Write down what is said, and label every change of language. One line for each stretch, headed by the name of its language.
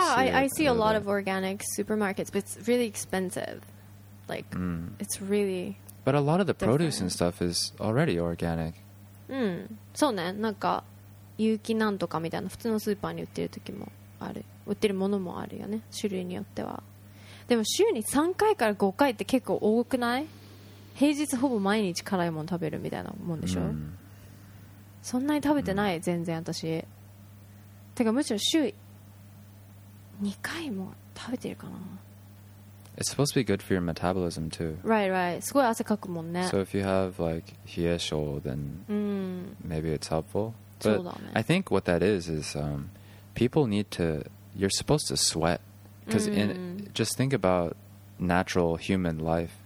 English: I see a lot of organic supermarkets, but it's really expensive. Like, it's really. But a lot of the produce and stuff is already organic.
Japanese: そうね。なんか有機なんとかみたいな、普通のスーパーに売ってる時もある。売ってるものもあるよね。種類によっては。でも週に3回から5回って結構多くない？平日ほぼ毎日辛いもの食べるみたいなもんでしょ、そんなに食べてない、全然私。てかむしろ週2回も食べてるかな。
English: It's supposed to be good for your metabolism too. Right, right.
Japanese: すごい汗かくもんね。
English: So if you have like 冷え性 then maybe it's helpful. But I think what that is people need to, you're supposed to sweat. Because just think aboutnatural human life.